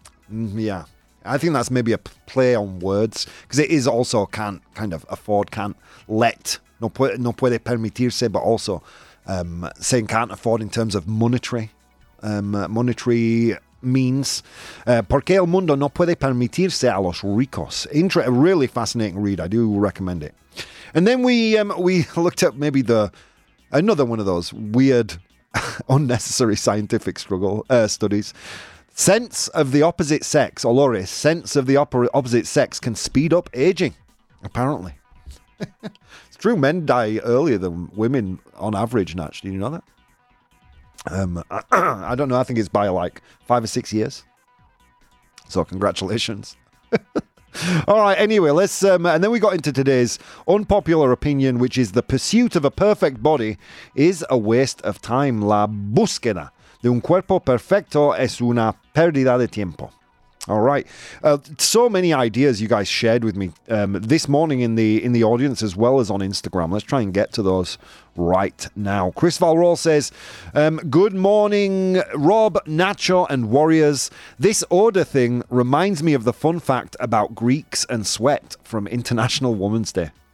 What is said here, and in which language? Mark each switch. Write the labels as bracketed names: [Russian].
[English] Yeah, I think that's maybe a play on words, because it is also can't kind of afford, can't let, [Spanish] no puede permitirse, [English] but also saying can't afford in terms of monetary means. [Spanish] ¿Por qué el mundo no puede permitirse a los ricos? [English] A really fascinating read. I do recommend it. And then we looked at maybe another one of those weird, unnecessary scientific studies. Sense of the opposite sex, or Laurie, sense of the opposite sex can speed up aging, apparently. True, men die earlier than women on average, Natch. Do you know that? I don't know. I think it's by like 5 or 6 years. So congratulations. All right. Anyway, let's... and then we got into today's unpopular opinion, which is the pursuit of a perfect body is a waste of time. [Spanish] La búsqueda de un cuerpo perfecto es una pérdida de tiempo. [English] All right. So many ideas you guys shared with me this morning in the audience, as well as on Instagram. Let's try and get to those right now. Chris Valroll says, good morning, Rob, Nacho and Warriors. This odor thing reminds me of the fun fact about Greeks and sweat from International Women's Day.